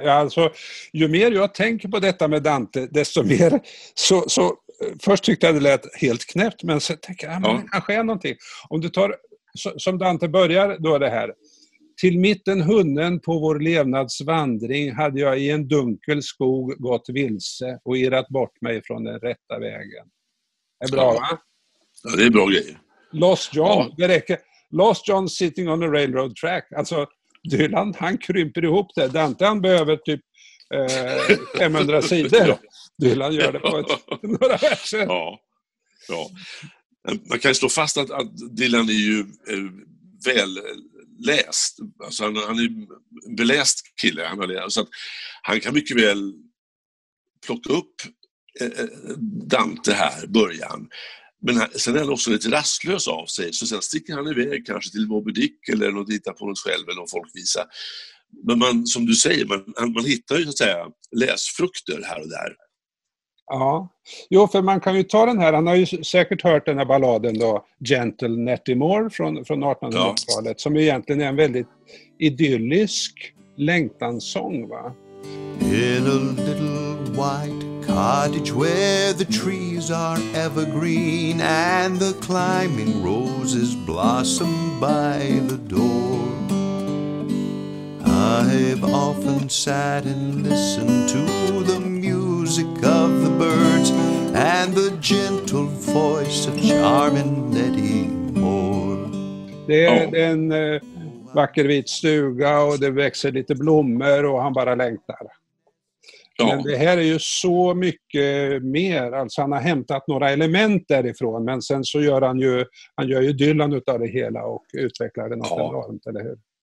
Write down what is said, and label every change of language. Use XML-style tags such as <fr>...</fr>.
<sv>Alltså, ju mer jag tänker på detta med Dante, desto mer så först tyckte jag det lät helt knäppt, men så tänker jag, men kanske är någonting. Om du tar, som Dante börjar, då är det här. Till mitten hunden på vår levnadsvandring hade jag i en dunkel skog gått vilse och irrat bort mig från den rätta vägen. Är bra, va? Ja, det är bra grejer. Lost John, det räcker.</sv> <en>Lost John sitting on a railroad track.</en> <sv>Alltså, Dylan, han krymper ihop det. Dante, han behöver typ 500 sidor. Dylan gör det på några verser. Ja. Man kan slå fast att Dylan är ju väl läst. Alltså han är en beläst kille. Han, så att han kan mycket väl plocka upp Dante här i början. Men sen är han också lite rastlös av sig. Så sen sticker han iväg kanske till Moby Dick eller något, hittar på något själv eller någon folkvisa. Men man, som du säger, man hittar ju så att säga läsfrukter här och där. Ja, jo, för man kan ju ta den här, han har ju säkert hört den här balladen då, Gentle Nettie Moore från 1800-talet, ja. Som egentligen är en väldigt idyllisk längtansång, va?</sv> <en>In a little white cottage where the trees are evergreen and the climbing roses blossom by the door. I've often sat and listened to the music of the birds and the gentle voice of charming Nettie Moore.</en> <sv>Det är en vacker vit stuga och det växer lite blommor och han bara längtar. Ja. Men det här är ju så mycket mer. Alltså han har hämtat några element därifrån, men sen så gör han gör ju Dylan utav det hela och utvecklar det något enormt, eller hur?</sv>